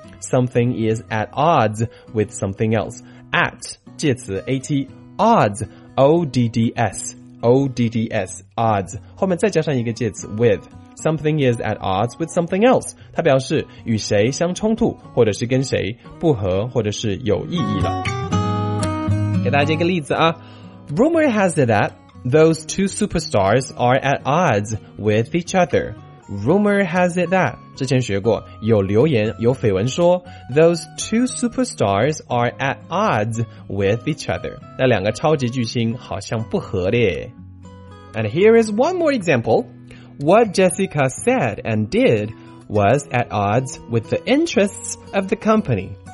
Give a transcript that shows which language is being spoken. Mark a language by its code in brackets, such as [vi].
[en] Something is at odds with something else. At, 介词 at, odds, O-D-D-S, O-D-D-S, odds. [zh] 后面再加上一个介词 [en] with. Something is at odds with something else. [zh] 它表示与谁相冲突，或者是跟谁不合，或者是有意义了。给大家一个例子啊。 [en] Rumor has it that,Those two superstars are at odds with each other. Rumor has it that, [zh] 之前学过，有留言，有绯闻说 [en] Those two superstars are at odds with each other. [zh] 那两个超级巨星好像不合的。 [en] And here is one more example. What Jessica said and did was at odds with the interests of the company.